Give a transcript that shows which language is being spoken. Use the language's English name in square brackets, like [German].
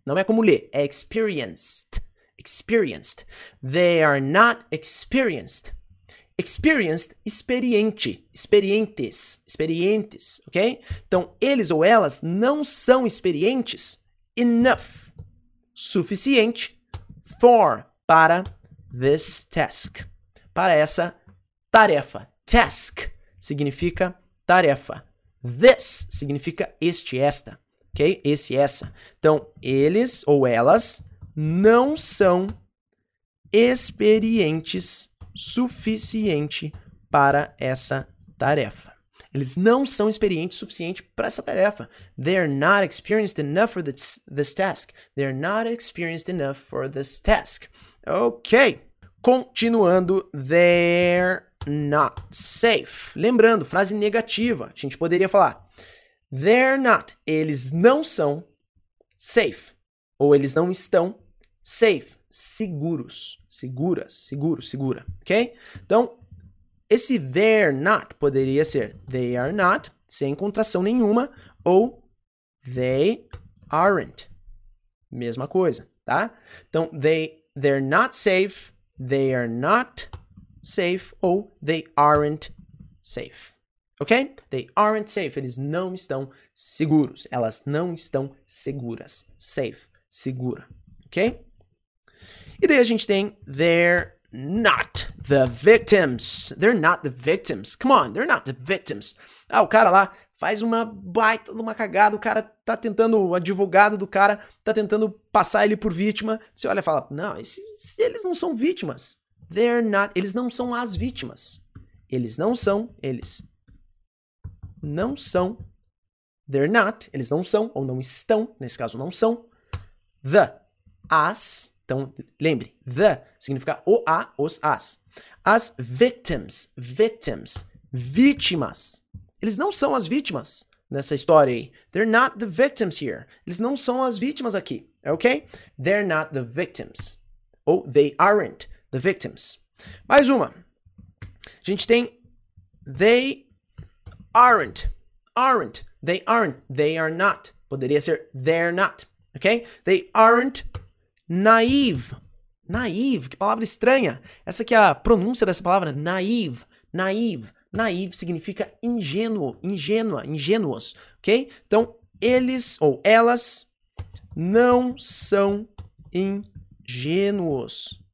[Portuguese] Não é como ler, é experienced. Experienced. [English] They are not experienced. [Portuguese] Experienced, experiente. Experientes. Experientes, ok? Então, eles ou elas não são experientes enough. Suficiente for, para this task. Para essa tarefa. Task significa tarefa. This significa este, esta. Ok? Esse, essa. Então, eles ou elas não são experientes suficiente para essa tarefa. Eles não são experientes suficiente para essa tarefa. [English] They're not experienced enough for this task. They're not experienced enough for this task. Ok. Continuando. They're not safe. [Portuguese] Lembrando, frase negativa. A gente poderia falar. They're not. Eles não são safe. Ou eles não estão safe. Seguros. Seguras. Seguro. Segura. Ok? Então, esse they're not poderia ser they are not, sem contração nenhuma, ou they aren't. Mesma coisa, tá? [English] Então, they're not safe, they are not safe, ou they aren't safe. [Portuguese] Ok? [English] They aren't safe. [Portuguese] Eles não estão seguros. Elas não estão seguras. Safe. Segura. Ok? E daí a gente tem [English] they're not the victims. They're not the victims. Come on, they're not the victims. [Portuguese] Ah, o cara lá faz uma baita de uma cagada. O cara tá tentando, o advogado do cara tá tentando passar ele por vítima. Você olha e fala, não, eles não são vítimas. [English] They're not, [Portuguese] eles não são as vítimas. Eles não são, eles não são. They're not, eles não são, ou não estão, nesse caso não são. The, as. Então, lembre, the significa o a, os as. As victims, victims, vítimas. Eles não são as vítimas nessa história aí. [English] They're not the victims here. [Portuguese] Eles não são as vítimas aqui, ok? [English] They're not the victims. Ou they aren't the victims. [Portuguese] Mais uma. A gente tem [English] they aren't. Aren't. They aren't. They are not. [Portuguese] Poderia ser they're not, ok? [English] They aren't. Naive. [Portuguese] Naive, que palavra estranha. Essa aqui é a pronúncia dessa palavra, naive. Naive. Naive significa ingênuo, ingênua, ingênuos, ok? Então, eles ou elas não são ingênuos.